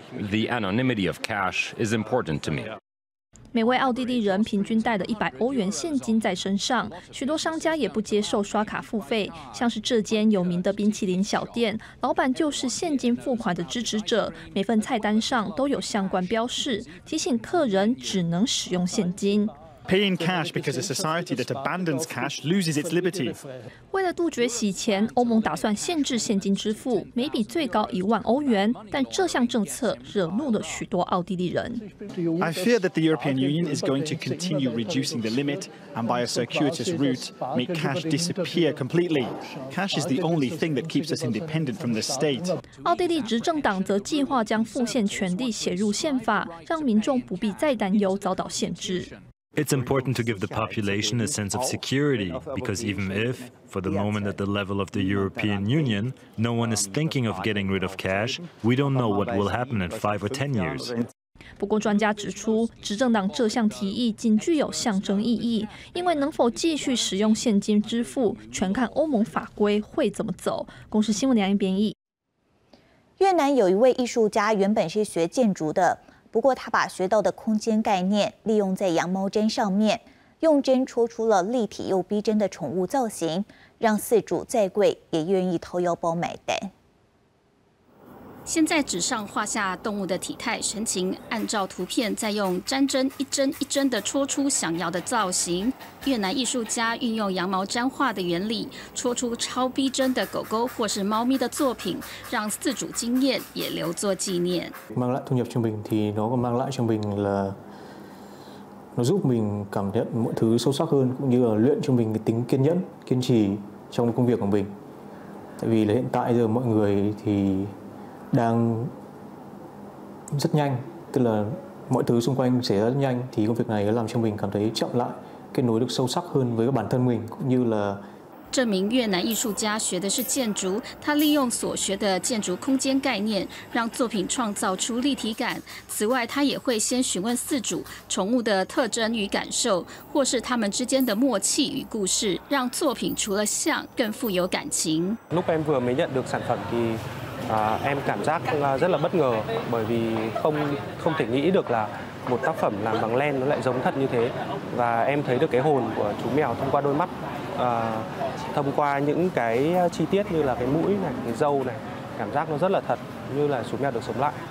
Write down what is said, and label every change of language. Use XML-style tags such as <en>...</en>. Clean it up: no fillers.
<en>The anonymity of cash is important to me.</en> <zh>每位奥地利人平均带了100欧元现金在身上，许多商家也不接受刷卡付费。像是这间有名的冰淇淋小店，老板就是现金付款的支持者，每份菜单上都有相关标示，提醒客人只能使用现金。</zh> <en>Paying cash because a society that abandons cash loses its liberty.</en> <zh>为了杜绝洗钱，欧盟打算限制现金支付，每笔最高10000欧元。但这项政策惹怒了许多奥地利人。</zh> <en>I fear that the European Union is going to continue reducing the limit and by a circuitous route make cash disappear completely. Cash is the only thing that keeps us independent from the state.</en> <zh>奥地利执政党则计划将复现权利写入宪法，让民众不必再担忧遭到限制。</zh> <en>It's important to give the population a sense of security, because even if, for the moment at the level of the European Union, no one is thinking of getting rid of cash, we don't know what will happen in 5 or 10 years.</en> <zh>不过专家指出，执政党这项提议仅具有象征意义，因为能否继续使用现金支付，全看欧盟法规会怎么走。公视新闻梁彦编译。越南有一位艺术家，原本是学建筑的，不过他把学到的空间概念利用在羊毛毡上面，用针戳出了立体又逼真的宠物造型，让饲主再贵也愿意掏腰包买单。先在纸上画下动物的体态神情，按照图片再用毡针一针一针的戳出想要的造型。越南艺术家运用羊毛毡画的原理，戳出超逼真的狗狗或是猫咪的作品，让饲主惊艳也留作纪念。</zh> <vi>mang lại thu nhập cho mình thì nó còn mang lại cho mình là nó giúp mình cảm nhận mọi thứ sâu sắc hơn, cũng như là luyện cho mình cái tính kiên nhẫn, kiên trì trong công việc của mình. Tại vì là hiện tại giờ mọi người thì đang rất nhanh, tức là mọi thứ xung quanh xảy ra rất nhanh, thì công việc này làm cho mình cảm thấy chậm lại, kết nối được sâu sắc hơn với bản thân mình, cũng như là</vi> <zh>这名越南艺术家学的是建筑，他利用所学的建筑空间概念，让作品创造出立体感。此外，他也会先询问饲主宠物的特征与感受，或是他们之间的默契与故事，让作品除了像，更富有感情。</zh> <vi>Lúc em vừa mới nhận được sản phẩm thì em cảm giác rất là bất ngờ, bởi vì không thể nghĩ được là một tác phẩm làm bằng len nó lại giống thật như thế. Và em thấy được cái hồn của chú mèo thông qua đôi mắt, thông qua những cái chi tiết như là cái mũi này, cái râu này, cảm giác nó rất là thật, như là chú mèo được sống lại.</vi>